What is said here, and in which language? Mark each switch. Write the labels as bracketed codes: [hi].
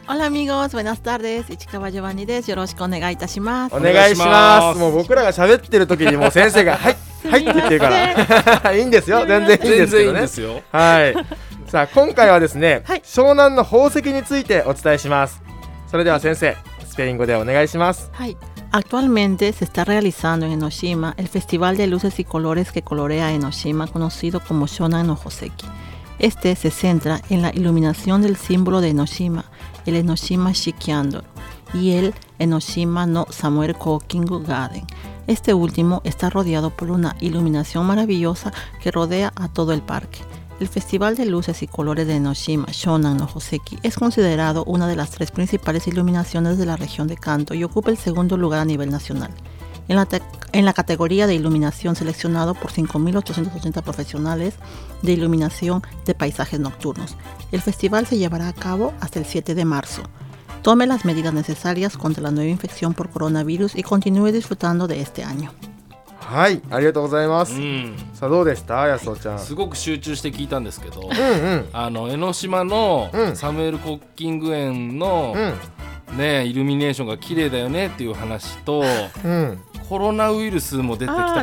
[ja] オラミゴス、ブエナスタールです。市川ジョバンニです。よろしくお願いいたします。お願いします。もう僕らが喋ってる時にもう先生がはい、はいって言ってるから。いいんですよ。全然いいんですけどね。全然いいんですよ。はい。さあ、今回はですね、はい、湘南の宝石についてお伝えします。それでは先生、スペイン語でお願いします。はい。 [es] Actualmente se está realizando en Enoshima el Festival de Luces y Colores que colorea Enoshima, conocido como Shonan no Hoseki. Este se centra en la iluminación del símbolo de Enoshima, el Enoshima Shikyandor, y el Enoshima no Samuel Kokingu Garden. Este último está rodeado por una iluminación maravillosa que rodea a todo el parque. El Festival de Luces y Colores de Enoshima, Shonan no Hoseki, es considerado una de las tres principales iluminaciones de la región de Kanto y ocupa el segundo lugar a nivel nacional. En la categoría de iluminación seleccionado por 5.880 profesionales de iluminación de paisajes nocturnos, el festival se llevará a cabo hasta el 7 de marzo. Tome las medidas necesarias contra la nueva infección por coronavirus y continúe disfrutando de este año. [ja] はい、ありがとうございます、うん、さあどうでした、やそちゃん。すごく集中して聞いたんですけど、うんうん、あの江ノ島のサムエル・コッキング園の、うん、ね、イルミネーションが綺麗だよねっていう話と、うん、コロナウイルスも出てきたかな。